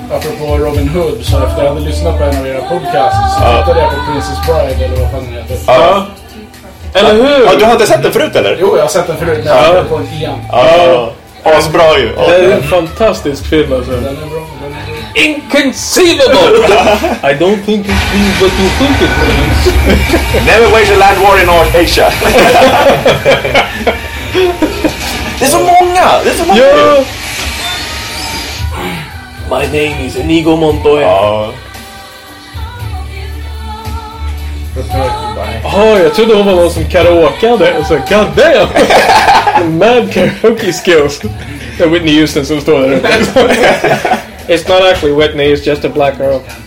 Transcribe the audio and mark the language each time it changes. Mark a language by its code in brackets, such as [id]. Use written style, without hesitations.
[sv] Apropå Robin Hood, så efter att jag hade lyssnat på en av era podcasts så tittade jag på Princess Bride, eller vad fan heter. Ja. Eller hur? Ja, du har inte sett den förut, eller? Jo, jag har sett den förut, men jag har sett den på en film. Asbra ju. Det är en fantastisk film, alltså. Den är bra, den är bra. [en] Inconceivable! I don't think it is what you think it is. Never wage a land war in North Asia. [sv] Det är så många! Det är så många! [en] Yeah. My name is Inigo Montoya. [sv] Oh, jag trodde hon var någon som karaokade. Och så, [en] god damn! Mad karaoke skills. [sv] Det är Whitney Houston som står där. [en] It's not actually Whitney, it's just a black girl.